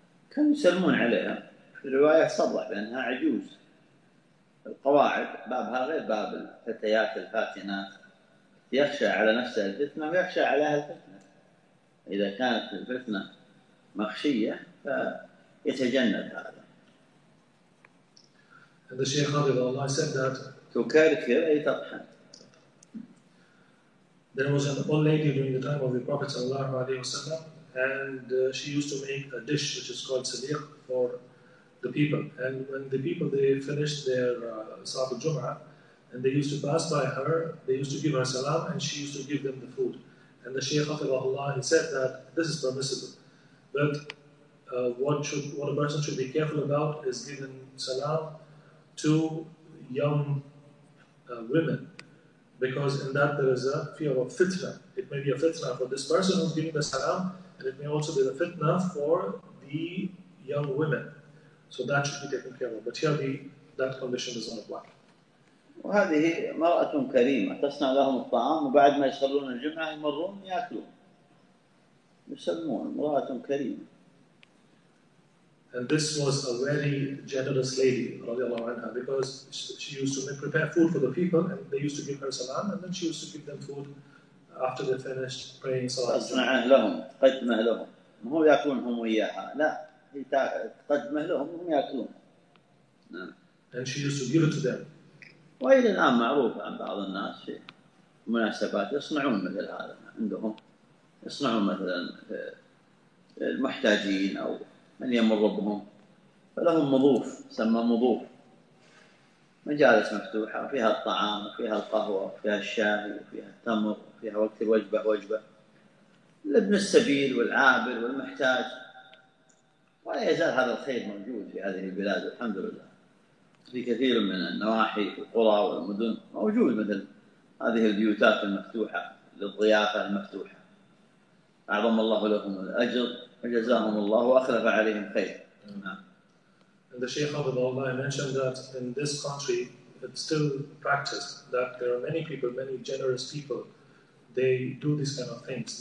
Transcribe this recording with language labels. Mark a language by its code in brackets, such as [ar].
[ar] كانوا يسلمون عليها، في الرواية صرح بأنها عجوز. القواعد بابها غير باب الفتيات الفاتنات، يخشى على نفسها الفتنة ويخشى على أهل الفتنة. إذا كانت الفتنة مخشية فيتجنب هذا. [en] And the Shaykh رضي الله said that [ar] تكركر أي تطحن. [en] There was an old lady during the time of the Prophet صلى الله عليه وسلم and she used to make a dish which is called سليق for the people. And when the people they finished their صلاة الجمعة and they used to pass by her, they used to give her salam, and she used to give them the food. And the Shaykh of Allah, he said that this is permissible. But what a person should be careful about is giving salam to young women. Because in that there is a fear of fitna. It may be a fitna for this person who's giving the salam, and it may also be the fitna for the young women. So that should be taken care of. But here, that condition does not apply. [ar] وهذه مرأة كريمة تصنع لهم الطعام وبعد ما يصلون الجمعة يمرون يأكلون يسلمون، مرأة كريمة. [en] And this was a very generous lady رضي الله عنها because she used to prepare food for the people and they used to give her salam and then she used to give them food after they finished praying salat. [ar] تصنعه لهم، تقدمه لهم، مو هو يأكلون هم وياها، لا، هي تقدمه لهم وهم يأكلون. [en] And she used to give it to them. [ar] وإلى الآن معروف عن بعض الناس في مناسبات يصنعون مثل هذا عندهم، يصنعون مثلا المحتاجين أو من يمر بهم، فلهم مضوف، سمى مضوف، مجالس مفتوحة فيها الطعام وفيها القهوة وفيها الشاي وفيها التمر وفيها وقت الوجبة وجبة لابن السبيل والعابر والمحتاج، ولا يزال هذا الخير موجود في هذه البلاد والحمد لله. في كثير من النواحي والقرى والمدن موجود مثل هذه البيوتات المفتوحة للضيافة المفتوحة. أعظم الله لهم الأجر وجزاهم الله وأخلف عليهم خير. [en] And the Shaykh of Allah mentioned that in this country it's still practiced that there are many people, many generous people, they do these kind of things.